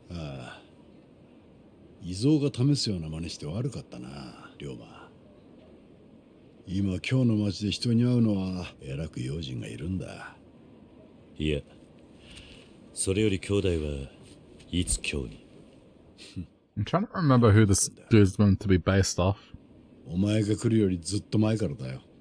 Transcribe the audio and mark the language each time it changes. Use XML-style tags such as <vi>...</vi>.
<ja>が試すような真似して悪かったな、龍馬。今今日の町で人に会うのはえらく用心がいるんだ。いや、それより兄弟はいつ今日に。</ja> <en>I'm trying to remember who this dude's going to be based off.</en> <ja>お前が来るよりずっと前からだよ。</ja>